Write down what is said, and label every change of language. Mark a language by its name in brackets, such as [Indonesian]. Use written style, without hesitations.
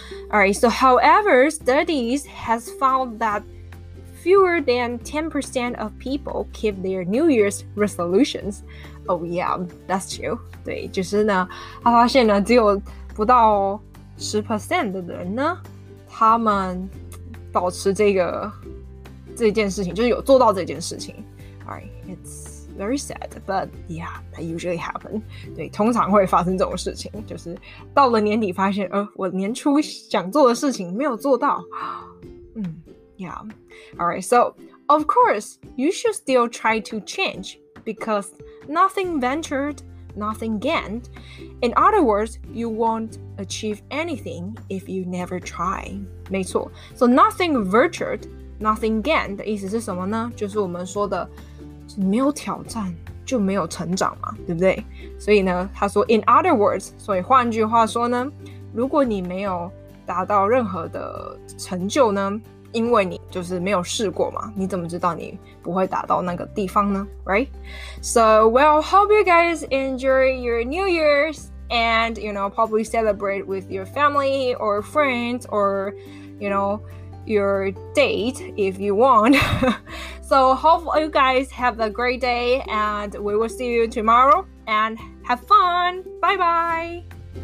[English] Alright, so however, studies has found that fewer than 10% of people keep their New Year's resolutions. Oh yeah, that's true. [Chinese] 对，就是呢，他发现呢，只有不到 10% 的人呢，他们保持这件事情，就是有做到这件事情。 [English] Alright, it's very sad, but yeah, that usually happens. [Chinese] 对，通常会发生这种事情，就是到了年底发现，我年初想做的事情没有做到。 [English] Yeah. Alright, so of course, you should still try to change because nothing ventured, nothing gained. In other words, you won't achieve anything if you never try. [Chinese] 没错。 [English] So nothing ventured, nothing gained [Chinese] 的意思是什么呢？就是我们说的没有挑战就没有成长嘛，对不对？所以呢他说 [English] in other words， [Chinese] 所以换句话说呢，如果你没有达到任何的成就呢，因为你就是没有试过嘛，你怎么知道你不会达到那个地方呢？ [English] Right? So well, hope you guys enjoy your New Year's and you know probably celebrate with your family or friends or you knowyour date if you want. So hopefully you guys have a great day and we will see you tomorrow and have fun. Bye bye.